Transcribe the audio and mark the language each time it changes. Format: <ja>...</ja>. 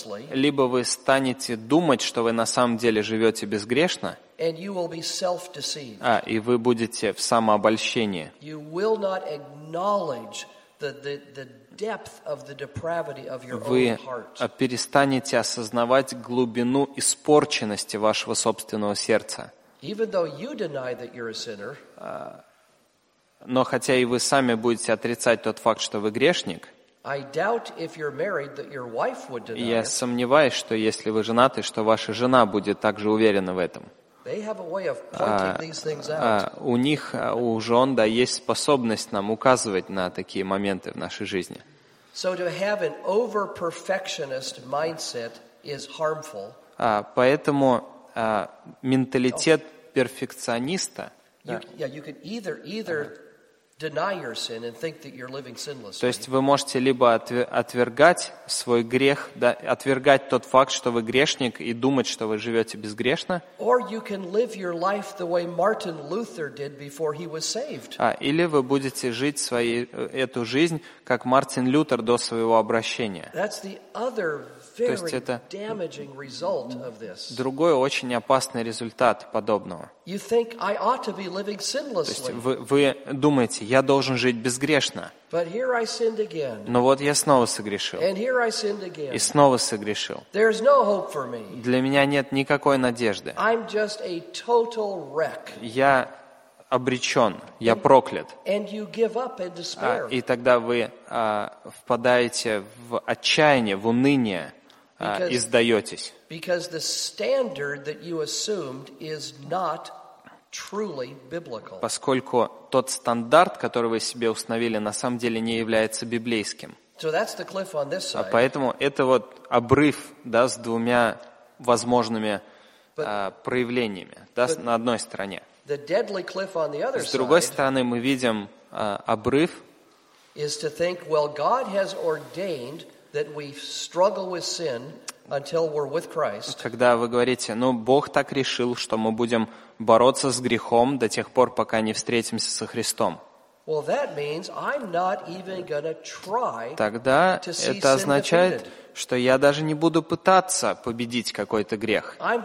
<ru>Либо вы станете думать, что вы на самом деле живете безгрешно,</ru> <en>and you will be self-deceived.</en> <ru>И вы будете в самообольщении.</ru> <en>You will not acknowledge the depth of the depravity of your own heart.</en> <ru>Вы перестанете осознавать глубину испорченности вашего собственного сердца.</ru> <en>Even though you deny that you're a sinner,</en> <ru>но хотя и вы сами будете отрицать тот факт, что вы грешник,</ru> <en>I doubt if you're married that your wife would deny.</en> <ru>Я сомневаюсь, что если вы женаты, что ваша жена будет также уверена в этом.</ru> <en>They have a way of pointing these things out.</en> <ru>У них, у жен, да, есть способность нам указывать на такие моменты в нашей жизни.</ru> <en>So to have an over-perfectionist mindset is harmful.</en> <ru>Поэтому менталитет перфекциониста.</ru> <en>You could either deny your sin and think that you're living sinlessly.</en> <ru>То есть вы можете либо отвергать свой грех, да, отвергать тот факт, что вы грешник, и думать, что вы живете безгрешно.</ru> <en>Or you can live your life the way Martin Luther did before he was saved.</en> <ru>Или вы будете жить эту жизнь, как Мартин Лютер до своего обращения.</ru> <en>That's the other very damaging result of this.</en> <ru>Другой очень опасный результат подобного.</ru> <en>You think I ought to be living sinlessly.</en> <ru>То есть вы думаете, я должен жить безгрешно.</ru> <en>But here I sinned again.</en> <ru>Но вот я снова согрешил.</ru> <en>And here I sinned again.</en> <ru>И снова согрешил.</ru> <en>There's no hope for me.</en> <ru>Для меня нет никакой надежды.</ru> <en>I'm just a total wreck.</en> <ru>Я обречен, я проклят.</ru> <en>And you give up in despair.</en> <ru>И тогда вы впадаете в отчаяние, в уныние, и сдаетесь.</ru> <en>Because the standard that you assumed is not truly biblical.</en> <ru>Поскольку тот стандарт, который вы себе установили, на самом деле не является библейским.</ru> <en>So that's the cliff on this side.</en> <ru>А поэтому это вот обрыв, да, с двумя возможными проявлениями, да, на одной стороне.</ru> <en>The deadly cliff on the other side.</en> <ru>С другой стороны, мы видим обрыв.</ru> <en>Is to think, well, God has ordained that we struggle with sin until we're with Christ.</en> <ru>Когда вы говорите, ну, Бог так решил, что мы будем бороться с грехом до тех пор, пока не встретимся со Христом.</ru> <en>Well, that means I'm not even gonna try to see sin defeated.</en> <ru>Тогда это означает, что я даже не буду пытаться победить какой-то грех.</ru>